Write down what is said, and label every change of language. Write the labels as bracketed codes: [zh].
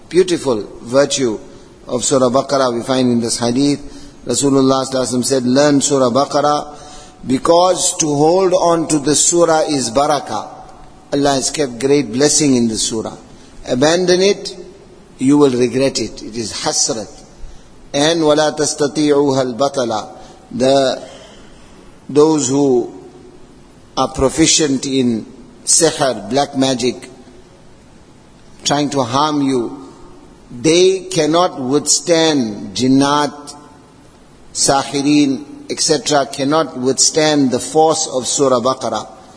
[en] Beautiful virtue of Surah Baqarah we find in this hadith. Rasulullah صلى الله عليه وسلم said, learn Surah Baqarah because to hold on to the surah is barakah. Allah has kept great blessing in the surah. Abandon it, you will regret it. It is hasrat. [ar] And وَلَا تَسْتَطِيعُهَا الْبَطَلَةٌ. [en] Those who are proficient in sihr, black magic, trying to harm you, they cannot withstand jinnat, sahirin, etc., cannot withstand the force of Surah Baqarah.